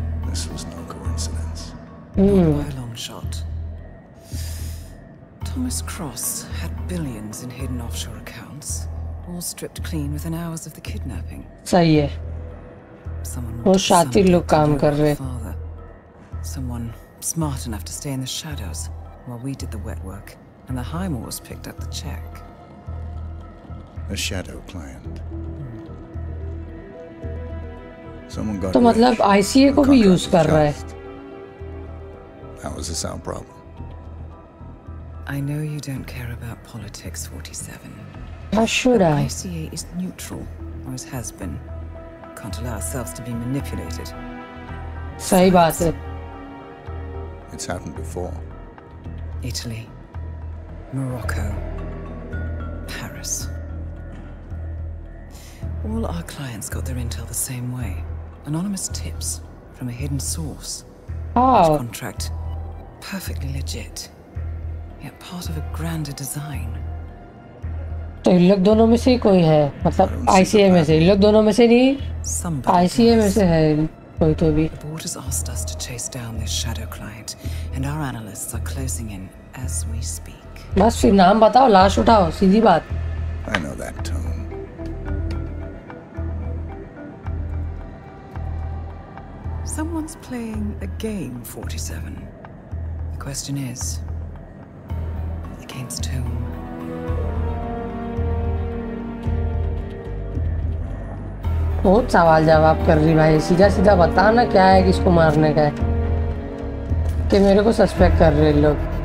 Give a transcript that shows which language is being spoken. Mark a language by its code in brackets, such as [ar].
[en] This was no coincidence. By a long shot. Thomas Cross had billions in hidden offshore accounts, all stripped clean within hours of the kidnapping. [hi] सही है। वो शातिर लोग काम कर रहे हैं। [en] Someone smart enough to stay in the shadows while we did the wet work and the Highmores picked up the check. A shadow client. Someone got [hi] to matlab ICA ko bhi use kar raha hai. [en] That was a sound problem. I know you don't care about politics, 47. How should I? ICA is neutral, always has been. Can't allow ourselves to be manipulated. [hi] Sahi baat hai. [en] It's happened before. Italy, Morocco, Paris. All our clients got their intel the same way. Anonymous tips from a hidden source. Oh. Each contract, perfectly legit. Yet part of a grander design. [hi] तो इन लोग दोनों में से कोई है, मतलब ICA में से? इन लोग दोनों में से नहीं, ICA में से है कोई तो भी? [en] The board has asked us to chase down this shadow client. And our analysts are closing in as we speak. [hi] बस फिर नाम बताओ, लाश उठाओ, सीधी बात। [en] I know that tone. Someone's playing a game, 47. The question is, against whom? [hi] बहुत सवाल जवाब कर रही भाई, सीधा सीधा बता ना क्या है किसको मारने का है कि मेरे को सस्पेक्ट कर रहे लोग।